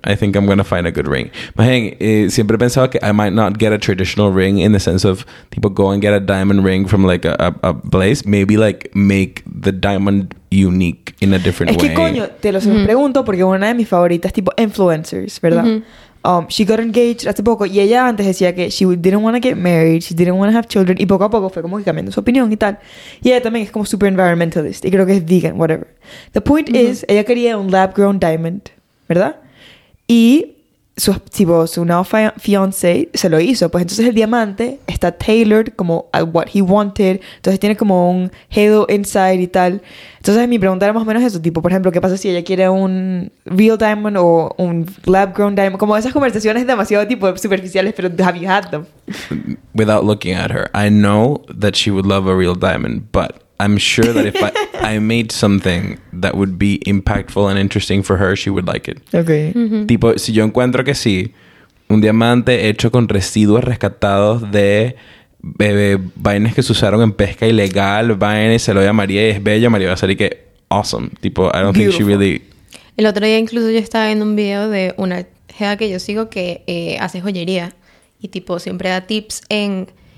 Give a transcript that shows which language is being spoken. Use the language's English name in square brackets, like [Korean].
[English] I think I'm gonna find a good ring. But hey, siempre he pensado que I might not get a traditional ring in the sense of people go and get a diamond ring from like a place. Maybe like make the diamond unique in a different [Spanish] way. Es que [English] way. [Spanish] Coño, te lo pregunto porque una de mis favoritas tipo influencers, ¿verdad? She got engaged hace poco y ella antes decía que she didn't want to get married, she didn't want to have children y poco a poco fue como que cambiando su opinión y tal. Y ella también es como super environmentalist y creo que es vegan, whatever. The point is, ella quería un lab-grown diamond, ¿verdad? Y su tipo, su now fiancé se lo hizo. Pues entonces el diamante está tailored como a what he wanted. Entonces tiene como un halo inside y tal. Entonces mi pregunta era más o menos eso. Tipo, por ejemplo, ¿qué pasa si ella quiere un real diamond o un lab-grown diamond? Como esas conversaciones demasiado tipo superficiales, pero have you had them? [English] Without looking at her, I know that she would love a real diamond, but I'm sure that if I made something that would be impactful and interesting for her, she would like it. Okay. [Spanish] Tipo, si yo encuentro que sí, un diamante hecho con residuos rescatados de bebé, vainas que se usaron en pesca ilegal, vainas, se lo llamaría y es bella, María va a salir que awesome. [English] Tipo, I don't think she really... [Spanish] El otro día incluso yo estaba viendo un video de una jefa que yo sigo que hace joyería y tipo siempre da tips en...